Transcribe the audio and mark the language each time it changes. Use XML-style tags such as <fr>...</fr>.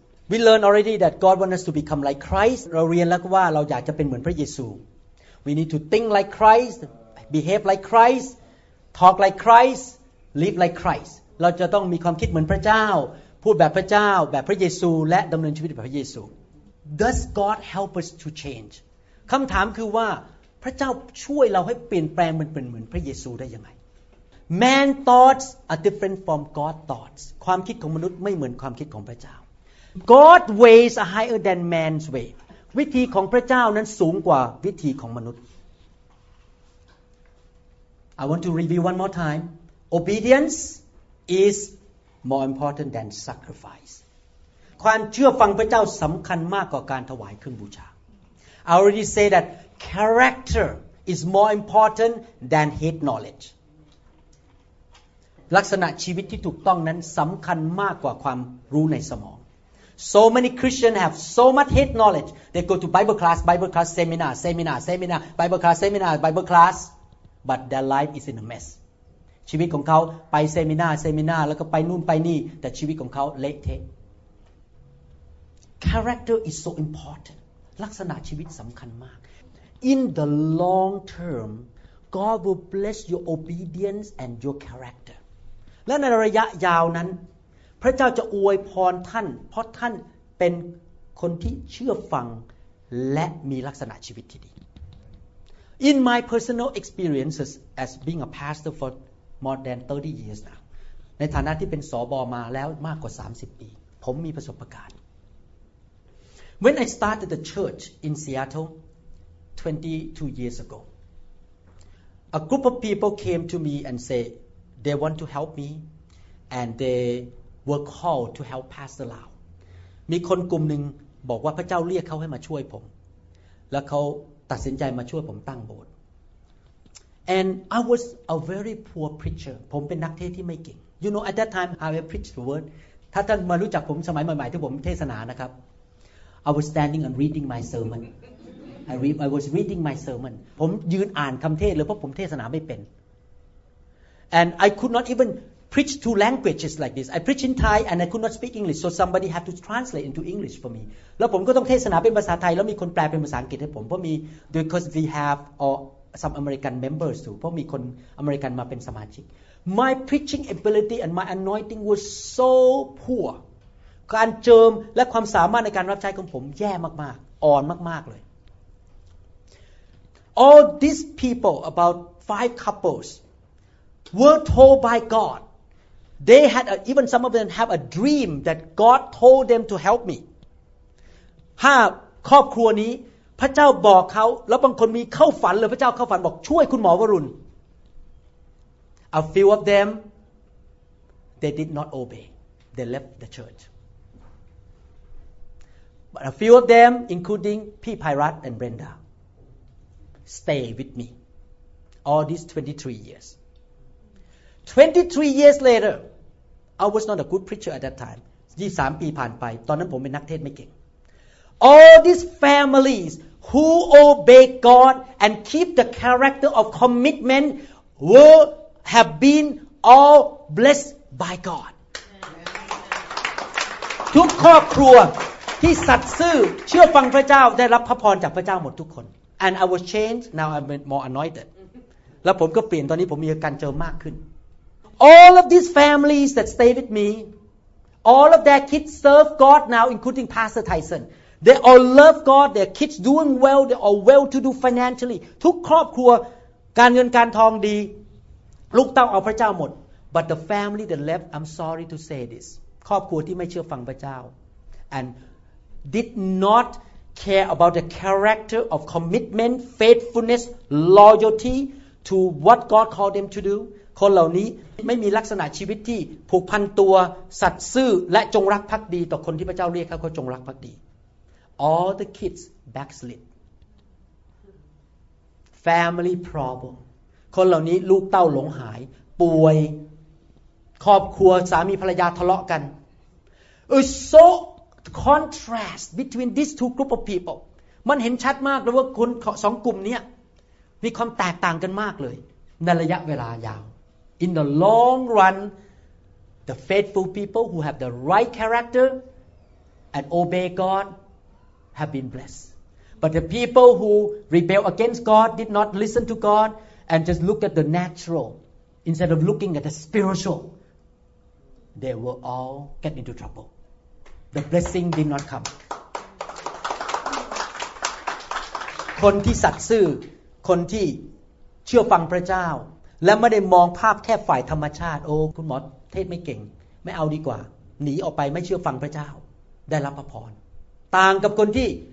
<en>We learn already that God wants us to become like Christ.</en> <th>เราเรียนแล้วว่าเราอยากจะเป็นเหมือนพระเยซู</th> <en>We need to think like Christ, behave like Christ, talk like Christ, live like Christ.</en> <th>เราจะต้องมีความคิดเหมือนพระเจ้าพูดแบบพระเจ้าแบบพระเยซูและดำเนินชีวิตแบบพระเยซู</th> <en>Does God help us to change?</en> <th>คำถามคือว่าพระเจ้าช่วยเราให้เปลี่ยนแปลงมันเป็นเหมือนพระเยซูได้ยังไง</th> <en>Man thoughts are different from God's thoughts.</en> <th>ความคิดของมนุษย์ไม่เหมือนความคิดของพระเจ้า</th> <en>God ways are higher than man's way.</en> <th>วิธีของพระเจ้านั้นสูงกว่าวิธีของมนุษย์</th> <en>I want to review one more time. Obedience is more important than sacrifice.</en> <th>ความเชื่อฟังพระเจ้าสำคัญมากกว่าการถวายเครื่องบูชา</th> <en>I already say that character is more important than head knowledge.</en> <th>ลักษณะชีวิตที่ถูกต้องนั้นสำคัญมากกว่าความรู้ในสมอง</th> <en>So many Christians have so much head knowledge. They go to Bible class, seminar, Bible class. But their life is in a mess.</en> <th>ชีวิตของเขาไปเซมินาแล้วก็ไปนู่นไปนี่แต่ชีวิตของเขาเละเทะ</th> <en>Character is so important.</en> <th>ลักษณะชีวิตสำคัญมาก</th> <en>In the long term, God will bless your obedience and your character.</en> <th>และในระยะยาวนั้นพระเจ้าจะอวยพรท่านเพราะท่านเป็นคนที่เชื่อฟังและมีลักษณะชีวิตที่ดี</th> <en>In my personal experiences as being a pastor for more than 30 years now</en> <th>ในฐานะที่เป็นสบมาแล้วมากกว่า30ปีผมมีประสบการณ์</th> <en>When I started the church in Seattle 22 years ago a group of people came to me and say They want to help me, and they were called to help Pastor Lau.</en> <th>มีคนกลุ่มหนึ่งบอกว่าพระเจ้าเรียกเขาให้มาช่วยผมและเขาตัดสินใจมาช่วยผมตั้งโบสถ์</th> <en>And I was a very poor preacher.</en> <th>ผมเป็นนักเทศที่ไม่เก่ง</th> <en>You know, at that time, I have preached the word.</en> <th>ถ้าท่านมารู้จักผมสมัยใหม่ๆที่ผมเทศนานะครับ</th> <en>I was standing and reading my sermon. I was reading my sermon.</en> <th>ผมยืนอ่านคำเทศเลยเพราะผมเทศนาไม่เป็น</th> <en>And I could not even preach two languages like this. I preach in Thai and I could not speak English. So somebody had to translate into English for me.</en> <th>แล้วผมก็ต้องเทศนาเป็นภาษาไทยแล้วมีคนแปลเป็นภาษาอังกฤษให้ผมเพราะมี</th> <en>because we have all some American members too.</en> <th>เพราะมีคนอเมริกันมาเป็นสมาชิก</th> <en>My preaching ability and my anointing was so poor.</en> <th>การเจิมและความสามารถในการรับใช้ของผมแย่มากๆอ่อนมากๆเลย</th> <en>All these people about 5 couplesWere told by God. They had a, even some of them have a dream that God told them to help me.</en> <th>ห้าครอบครัวนี้พระเจ้าบอกเขาแล้วบางคนมีเข้าฝันเลยพระเจ้าเข้าฝันบอกช่วยคุณหมอวรุณ</th> <en>A few of them, they did not obey. They left the church. But a few of them, including Pi Pirat and Brenda, stay with me all these 23 years. 23 years later, I was not a good preacher at that time.</en> <th>23ปีผ่านไปตอนนั้นผมเป็นนักเทศไม่เก่ง</th> <en>All these families who obey God and keep the character of commitment have been all blessed by God.</en> <th>ทุกครอบครัวที่สัตย์ซื่อเชื่อฟังพระเจ้าได้รับพระพรจากพระเจ้าหมดทุกคน</th> <en>And I was changed. Now I'm more anointed.</en> <th>แล้วผมก็เปลี่ยนตอนนี้ผมมีการเจอมากขึ้น</th> <en>All of these families that stay with me, all of their kids serve God now, including Pastor Tyson. They all love God. Their kids doing well. They are well to do financially.</en> <th>ทุกครอบครัวการเงินการทองดีลูกเต้าเอาพระเจ้าหมด</th> <en>But the family that left, I'm sorry to say this,</en> <th>ครอบครัวที่ไม่เชื่อฟังพระเจ้า</th> <en>and did not care about the character of commitment, faithfulness, loyalty to what God called them to do.</en> <th>คนเหล่านี้ไม่มีลักษณะชีวิตที่ผูกพันตัวสัตย์ซื่อและจงรักภักดีต่อคนที่พระเจ้าเรียกเขาจงรักภักดี</th> <en>All the kids backslid Family problem</en> <th>คนเหล่านี้ลูกเต้าหลงหายป่วยครอบครัวสามีภรรยาทะเลาะกัน</th> <en>It's so contrast between these two group of people</en> <th>มันเห็นชัดมากเลยว่าคนสองกลุ่มนี้มีความแตกต่างกันมากเลยในระยะเวลายาว</th> <en>In the long run, the faithful people who have the right character and obey God have been blessed. But the people who rebel against God, did not listen to God, and just look at the natural instead of looking at the spiritual, they were all get into trouble. The blessing did not come.</en> <th>คนที่สัตย์ซื่อคนที่เชื่อฟังพระเจ้าและไม่ได้มองภาพแค่ฝ่ายธรรมชาติโอ้คุณหมอเทศไม่เก่งไม่เอาดีกว่าหนีออกไปไม่เชื่อฟังพระเจ้าได้รับพระพรต่างกับคนที่</th>